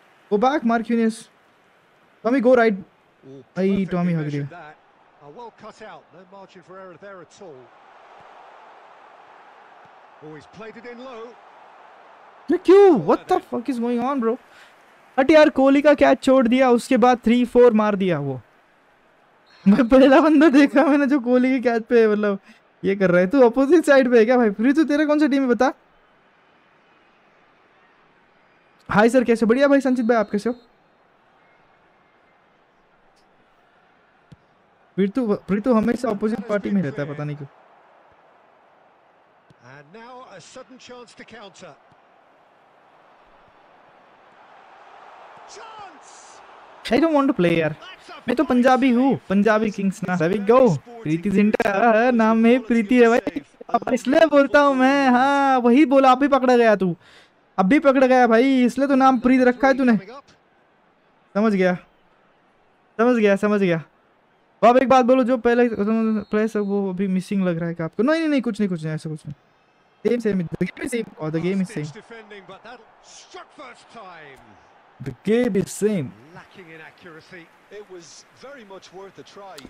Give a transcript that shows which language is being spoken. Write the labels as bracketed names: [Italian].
[English] Go back, Marquinhos. Tommy, go right. Ooh, hey, Tommy, how are you? A well cut out. No margin for error there at all. Oh, he's played it in low. Look, you. What the fuck is going on, bro? [Hindi] But yaar, Kohli ka catch chhod diya. Uske baad 3-4 maar diya wo. मैं पहला बंदा देख रहा मैंने जो कोहली के catch पे मतलब ये कर रहा है तू अपोजिट साइड पे है क्या भाई फिर तू तेरा कौन सा टीम है बता हाय सर कैसे बढ़िया भाई संचित भाई आप कैसे हो प्रीतू हमेशा अपोजिट पार्टी में रहता है पता नहीं क्यों [English] I don't want to play [Hindi] यार मैं तो पंजाबी हूँ पंजाबी किंग्स ना रवि गो प्रीति जिंटा नाम है प्रीति है भाई इसलिए बोलता हूँ मैं हाँ वही बोला अभी पकड़ गया तू अभी पकड़ गया भाई इसलिए तो नाम प्रीत रखा है तूने समझ गया अब एक बात बोलो जो पहले प्लेस वो अभी मिसिंग लग रहा है आपको नहीं कुछ नहीं कुछ नहीं ऐसा कुछ नहीं सेम सेम और the game is same [English] The game is same. Lacking in accuracy. It was very much worth a try.